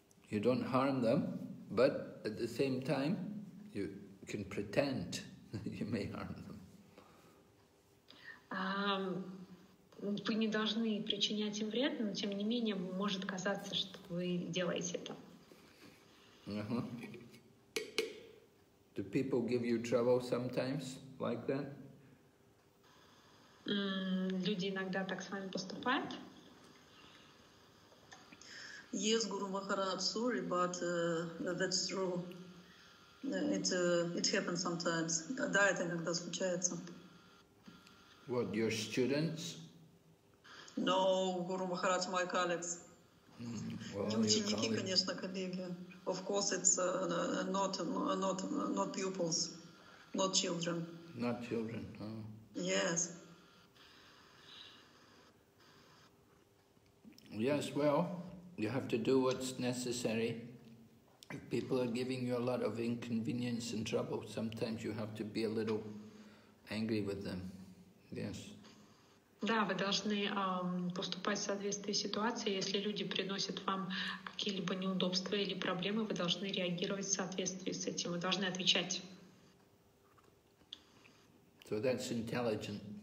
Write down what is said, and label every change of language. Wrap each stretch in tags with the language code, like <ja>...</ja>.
<en>You don't harm them, but at the same time, you can pretend you may harm them.</en> <ru>Вы не должны причинять им вред, но тем не менее может казаться, что вы делаете это. Uh-huh.</ru> <en>Do people give you trouble sometimes like that?</en> <ru>Люди иногда так с вами поступают.</ru> <en>Yes, Guru Maharaj, sorry, but that's true. It happens sometimes.</en> <ru>Да, это иногда случается.</ru> <en>What, your students? No, Guru Maharaj, my colleagues.</en> <ru>Не ученики, конечно, коллеги.</ru> <en>Of course, it's not pupils, not children. Not children. Oh. Yes. Yes. Well, you have to do what's necessary. If people are giving you a lot of inconvenience and trouble, sometimes you have to be a little angry with them. Yes.</en> <ru>Да, вы должны поступать в соответствии с ситуацией. Если люди приносят вам какие-либо неудобства или проблемы, вы должны реагировать в соответствии с этим. Вы должны отвечать.</ru> <en>So that's intelligent.</en>